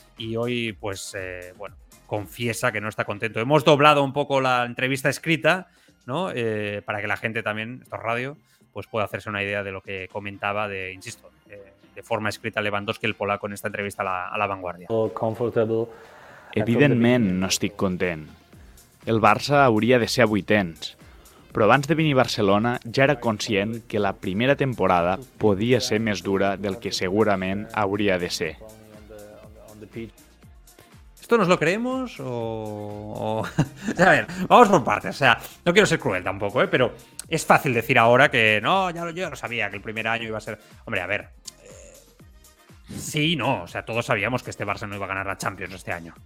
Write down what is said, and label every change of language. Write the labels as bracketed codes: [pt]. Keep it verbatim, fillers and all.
[es] Y hoy, pues, eh, bueno, confiesa que no está contento. Hemos doblado un poco la entrevista escrita, ¿no? Eh, para que la gente también, esto es radio, pues pueda hacerse una idea de lo que comentaba de, insisto, eh, de forma escrita Lewandowski, el polaco, en esta entrevista a la, a la Vanguardia. [ca] Evidentment no estic content. El Barça hauria de ser a vuitens, però abans de venir a Barcelona ja era conscient que la primera temporada podia ser més dura del que segurament hauria de ser. [es] ¿Esto nos lo creemos? O... o sea, a ver, vamos por partes. O sea, no quiero ser cruel tampoco, ¿eh? Pero es fácil decir ahora que no, ya lo, yo lo sabía, que el primer año iba a ser... Hombre, a ver. Eh... Sí, no. O sea, todos sabíamos que este Barça no iba a ganar la Champions este año.